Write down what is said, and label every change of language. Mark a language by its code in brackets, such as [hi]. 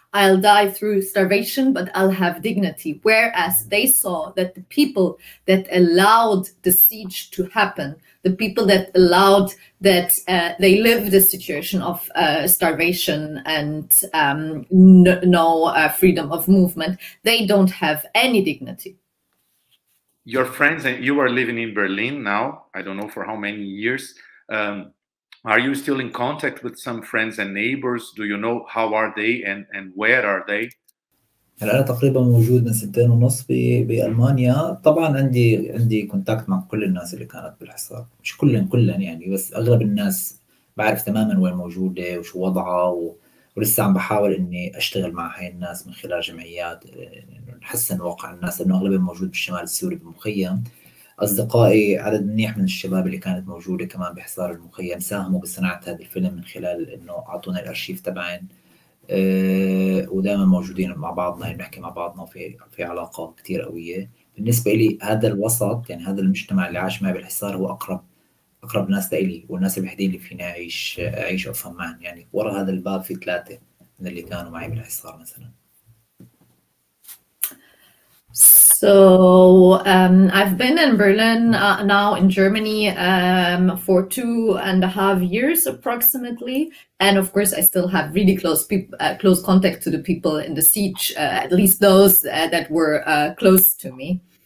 [en] I'll die through starvation, but I'll have dignity. Whereas they saw that the people that allowed the siege to happen, the people that allowed that they live the situation of starvation and no freedom of movement, they don't have any dignity. Your friends, and you are living in Berlin now, I don't know for how many years. Are you still in contact with some friends and neighbors? Do you know how are they and where are they? [ar] هلأ أنا تقريبا موجود من سنتين ونص بألمانيا. طبعا عندي كونتاكت مع كل الناس اللي كانت بالحصار, مش كلهم يعني, بس أغلب الناس بعرف تماما وين موجودة وشو وضعها, ولسه عم بحاول اني اشتغل مع هاي الناس من خلال جمعيات نحسن واقع الناس، لانه اغلبهم موجود بالشمال السوري بالمخيم. اصدقائي عدد منيح من الشباب اللي كانت موجوده كمان بحصار المخيم ساهموا بصناعه هذا الفيلم من خلال انه اعطونا الارشيف تبعهم، ودائما موجودين مع بعضنا بنحكي مع بعضنا في علاقه كثير قويه. بالنسبه لي هذا الوسط يعني هذا المجتمع اللي عاش معي بالحصار هو اقرب ناس لي والناس الوحيدين اللي فيني اعيش وافهم معهم. يعني ورا هذا الباب في ثلاثه من اللي كانوا معي بالحصار مثلا. [en] So I've been in Berlin now in Germany for 2.5 years approximately, and of course I still have really close contact to the people in the siege, at least those that were close to me.